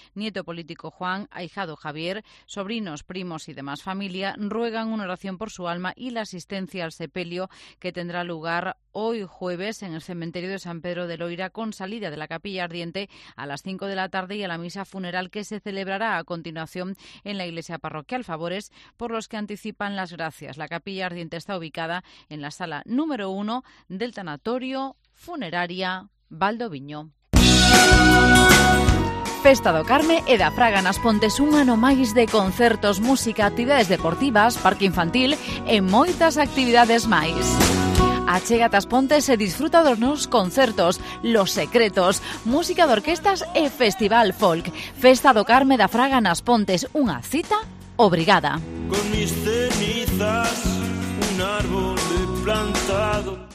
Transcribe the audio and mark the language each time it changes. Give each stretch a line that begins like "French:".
Spanish: Nieto político Juan, ahijado Javier. Sobrinos, primos y demás familia ruegan una oración por su alma y la asistencia al sepelio, que tendrá lugar hoy jueves en el cementerio de San Pedro de Loira, con salida de la capilla ardiente a las 5 de la tarde y a la misa funeral que se celebrará a continuación en la iglesia parroquial Favores, por los que anticipan las gracias. La capilla ardiente está ubicada en la sala número 1 del tanatorio funeraria Valdoviño.
Galician: Festa do Carme e da Fraga nas Pontes, un ano máis de concertos, música, actividades deportivas, parque infantil e moitas actividades máis. Achégate ás Pontes e disfruta dos nos concertos, Los Secretos, música de orquestas e festival folk. Festa do Carme da Fraga nas Pontes, unha cita obrigada.
Spanish: Con mis cenizas, un árbol plantado.